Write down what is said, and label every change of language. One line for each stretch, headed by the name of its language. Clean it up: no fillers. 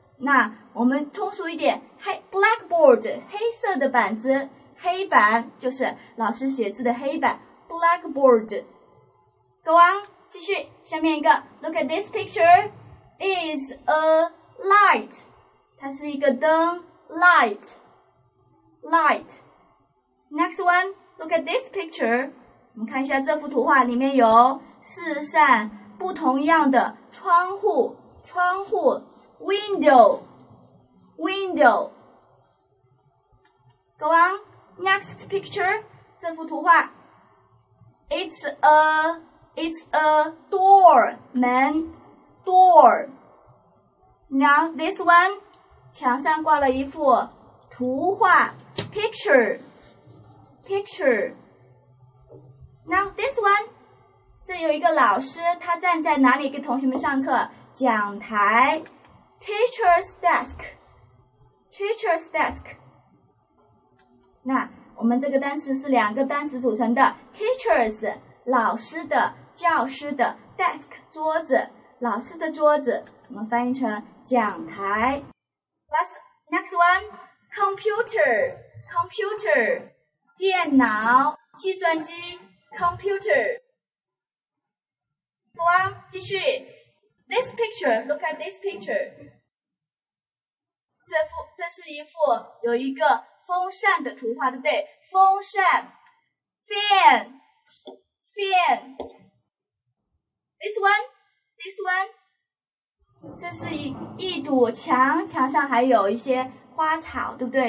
Chinese: 那我们通俗一点 ,blackboard, 黑色的板子，黑板就是老师写字的黑板 ,blackboard.
English: Go on,
Chinese: 继续，下面一个
English: ,look at this picture, is a,Light,
Chinese: 它是一个灯
English: light, light. Next one, look at this picture.
Chinese: 我们看一下这幅图画，里面有四扇不同样的窗户，窗户 ，window, window.
English: Go on, next picture.
Chinese: 这幅图画
English: it's a door, 门 door. Now this one,
Chinese: 墙上挂了一幅图画 picture, picture. Now this one, 这有一个老师，他站在哪里给同学们上课？
English: 讲台 ，teacher's desk, teacher's desk.
Chinese: 那我们这个单词是两个单词组成的 ，teachers 老师的，教师的 ，desk 桌子，老师的桌子，我们翻译成讲台。
English: Next one, computer, computer,
Chinese: 电脑，计算机
English: ，computer. Go on, 继续。 This picture, look at this picture.
Chinese: 这是一幅有一个风扇的图画，对不对？
English: 风扇 ，fan, fan. This one,
Chinese: 这是一堵墙，墙上还有一些花草，对不对？